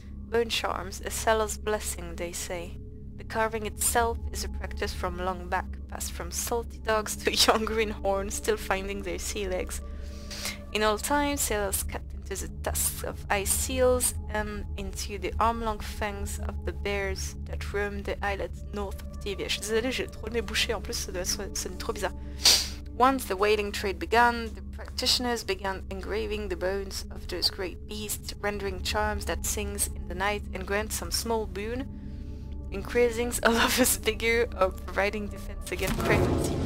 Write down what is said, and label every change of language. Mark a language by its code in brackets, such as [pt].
[en] Bone charms, a seller's blessing, they say. The carving itself is a practice from long back, passed from salty dogs to young greenhorns still finding their sea legs. In old times, sailors cut into the tusks of ice seals and into the arm-long fangs of the bears that roam the islets north of Tivia. [fr] Je suis désolée, j'ai trop le nez bouché en plus, ça doit être trop bizarre. [en] Once the whaling trade began, the practitioners began engraving the bones of those great beasts, rendering charms that sings in the night and grant some small boon, increasing a lover's figure or providing defense against pregnancy.